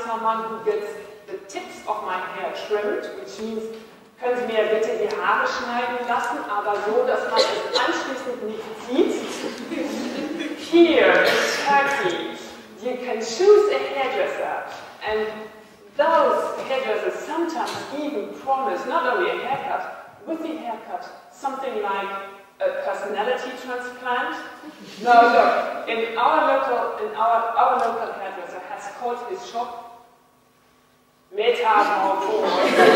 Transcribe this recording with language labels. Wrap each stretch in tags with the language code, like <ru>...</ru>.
<en>someone who gets the tips of my hair trimmed, which means</en> <de>Können Sie mir bitte die Haare schneiden lassen, aber so, dass man es anschließend nicht sieht?</de> <en>Here in Turkey, you can choose a hairdresser. And those hairdressers sometimes even promise not only a haircut, with the haircut, something like a personality transplant. No, look, our local hairdresser has called his shop Metamorphosis.</en>